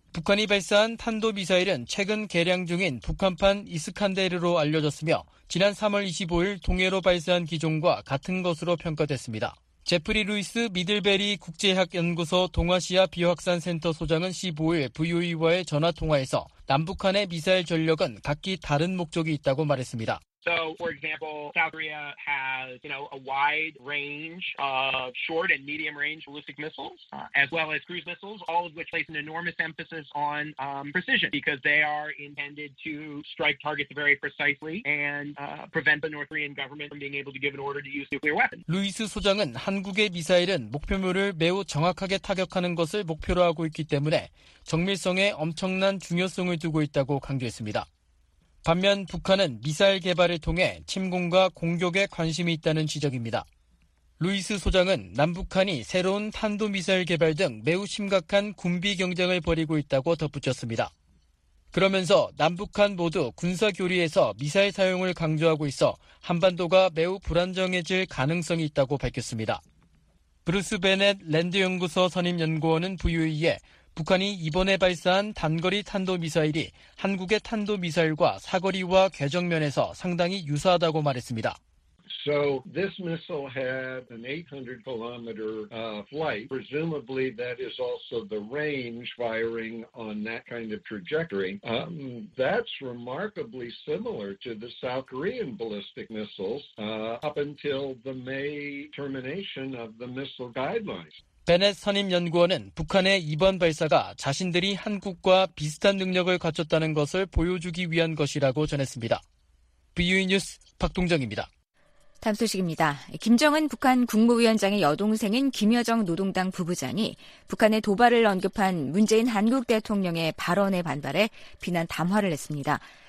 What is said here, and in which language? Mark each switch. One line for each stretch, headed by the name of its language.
Korean: 북한이 발사한 탄도미사일은 최근 개량 중인 북한판 이스칸데르로 알려졌으며 지난 3월 25일 동해로 발사한 기종과 같은 것으로 평가됐습니다. 제프리 루이스 미들베리 국제학연구소 동아시아 비확산센터 소장은 15일 VOE와의 전화통화에서 남북한의 미사일 전력은 각기 다른 목적이 있다고 말했습니다.
English: So, for example, South Korea has, you know, a wide range of short and medium range ballistic missiles, as well as cruise missiles, all of which place an enormous emphasis on precision because they are intended to strike targets very precisely and prevent the North Korean government from being able to give an order to use nuclear weapons.
Korean: 루이스 소장은 한국의 미사일은 목표물을 매우 정확하게 타격하는 것을 목표로 하고 있기 때문에 정밀성에 엄청난 중요성을 두고 있다고 강조했습니다. 반면 북한은 미사일 개발을 통해 침공과 공격에 관심이 있다는 지적입니다. 루이스 소장은 남북한이 새로운 탄도미사일 개발 등 매우 심각한 군비 경쟁을 벌이고 있다고 덧붙였습니다. 그러면서 남북한 모두 군사 교류에서 미사일 사용을 강조하고 있어 한반도가 매우 불안정해질 가능성이 있다고 밝혔습니다. 브루스 베넷 랜드연구소 선임연구원은 VOE에 북한이 이번에 발사한 단거리 탄도미사일이 한국의 탄도미사일과 사거리와 궤적면에서 상당히 유사하다고 말했습니다.
English: So this missile had an 800 kilometer flight. Presumably that is also the range firing on that kind of trajectory. That's remarkably similar to the South Korean ballistic missiles up until the May termination of the missile guidelines.
Korean: 베넷 선임 연구원은 북한의 이번 발사가 자신들이 한국과 비슷한 능력을 갖췄다는 것을 보여주기 위한 것이라고 전했습니다. BUI 뉴스 박동정입니다. 다음 소식입니다. 김정은 북한 국무위원장의 여동생인 김여정 노동당 부부장이 북한의 도발을 언급한 문재인 한국 대통령의 발언에 반발해 비난 담화를 냈습니다.